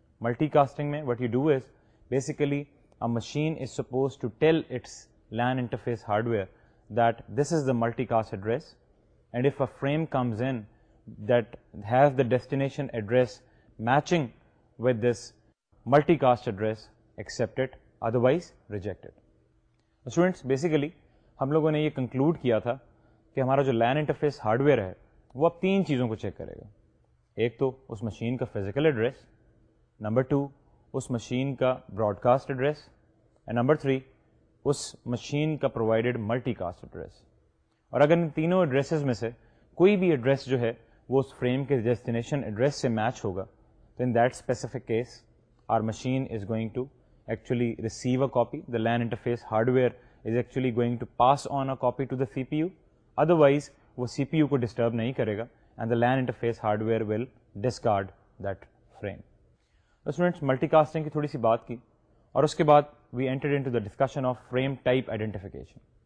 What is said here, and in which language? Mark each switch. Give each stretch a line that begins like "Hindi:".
English: Multicasting mein what you do is basically a machine is supposed to tell its lan interface hardware that this is the multicast address, and if a frame comes in that has the destination address matching with this multicast address, accept it, otherwise reject it. Students, basically,
Urdu: ہم لوگوں نے یہ conclude کیا تھا کہ ہمارا جو LAN interface hardware ہے وہ اب تین چیزوں کو check کرے گا. ایک تو اس مشین کا physical address,
English: number two
Urdu: اس مشین کا broadcast address,
English: and number three
Urdu: اس machine کا provided multicast address. اور اگر ان تینوں addresses میں سے کوئی بھی address جو ہے وہ اس فریم کے ڈیسٹینیشن ایڈریس سے میچ ہوگا تو
English: In that specific case our machine is going to actually receive a copy. The LAN interface hardware is actually going to pass on a copy to the C P U. Otherwise
Urdu: وہ سی P U کو disturb نہیں کرے گا
English: And the LAN interface hardware will discard that frame.
Urdu: Students multi casting کی تھوڑی سی بات کی اور اس کے بعد
English: We entered into the discussion of frame type identification.